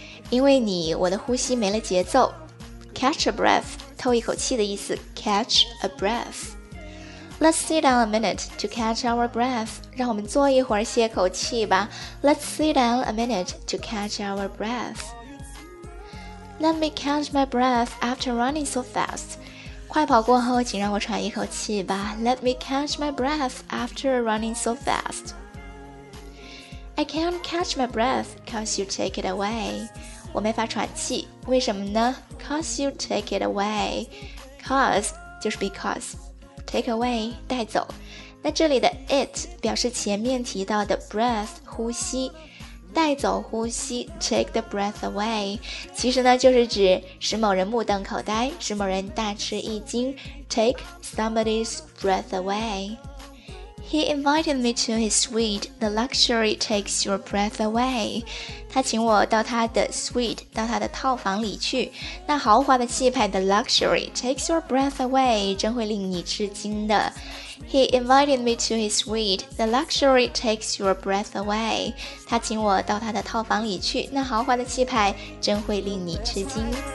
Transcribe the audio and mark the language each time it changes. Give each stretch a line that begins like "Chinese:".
Chinese: 因为你我的呼吸没了节奏。
English: Catch a breath,
Chinese: 透一口气的意思
English: catch a breath. Let's sit down a minute to catch our breath.
Chinese: 让我们坐一会儿歇口气吧。
English: Let's sit down a minute to catch our breath. Let me catch my breath after running so fast.
Chinese: 快跑过后请让我喘一口气吧。
English: Let me catch my breath after running so fast. I can't catch my breath cause you take it away.
Chinese: 我没法喘气，为什么呢
English: ？Cause you take it away.
Chinese: Cause 就是 because. Take away 带走。那这里的 it 表示前面提到的 breath 呼吸，带走呼吸
English: take the breath away.
Chinese: 其实呢，就是指使某人目瞪口呆，使某人大吃一惊
English: take somebody's breath away. He invited me to his suite. The luxury takes your breath away.
Chinese: 他请我到他的 suite, 到他的套房里去。那豪华的气派
English: the luxury takes your breath away,
Chinese: 真会令你吃惊的。
English: He invited me to his suite. The luxury takes your breath away.
Chinese: 他请我到他的套房里去。那豪华的气派真会令你吃惊。